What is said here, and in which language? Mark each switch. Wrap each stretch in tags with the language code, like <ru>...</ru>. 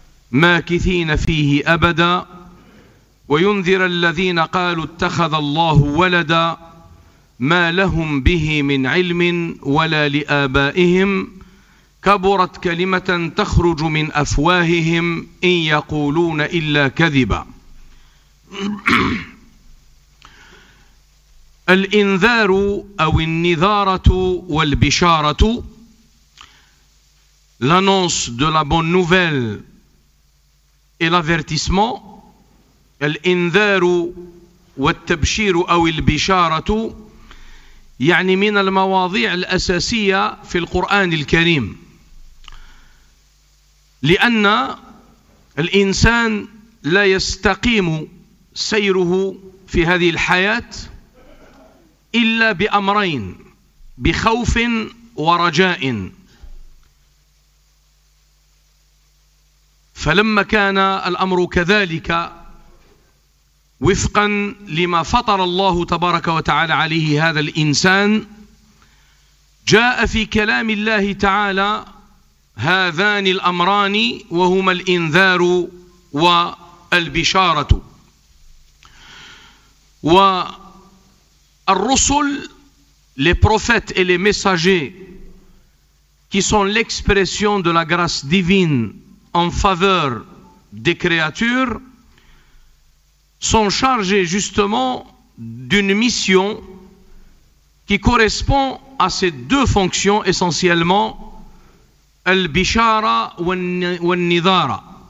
<ar>ماكثين فيه أبدا وينذر الذين قالوا اتخذ الله ولدا ما لهم به من علم ولا لآبائهم كبرت كلمة تخرج من أفواههم إن يقولون إلا كذبا. الإنذار أو النذارة والبشارة، l'annonce de la bonne nouvelle et l'avertissement. الإنذار والتبشير أو البشارة يعني من المواضيع الأساسية في القرآن الكريم، لأن الإنسان لا يستقيم سيره في هذه الحياة إلا بأمرين: بخوف ورجاء. فلما كان الأمر كذلك وفقا لما فطر الله تبارك وتعالى عليه هذا الإنسان، جاء في كلام الله تعالى هذان الأمران وهما الإنذار والبشارة.</ar> <fr>والرسل، les prophètes et les messagers qui sont l'expression de la grâce divine en faveur des créatures, sont chargés justement d'une mission qui correspond à ces deux fonctions essentiellement, al-bishara wa al-nidara.</fr>